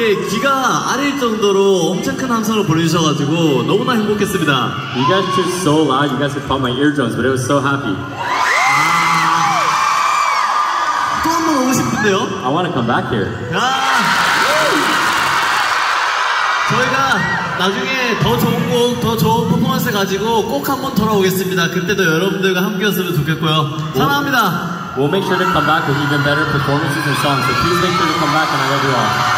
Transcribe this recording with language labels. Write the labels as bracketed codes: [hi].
[ko] 귀가 아릴 정도로 엄청 큰 함성을 보내주셔가지고 너무나 행복했습니다. [en] You guys were so loud. You guys could pop my eardrums, but it was so happy. [ko] 또 한 번 오고 싶은데요? [en] I want to come back here. [ko] 저희가 나중에 더 좋은 곡, 더 좋은 퍼포먼스 가지고 꼭 한 번 돌아오겠습니다. 그때도 여러분들과 함께였으면 좋겠고요. 사랑합니다. [en] We'll make sure to come back with even better performances and songs. So please make sure to come back, and I love you all.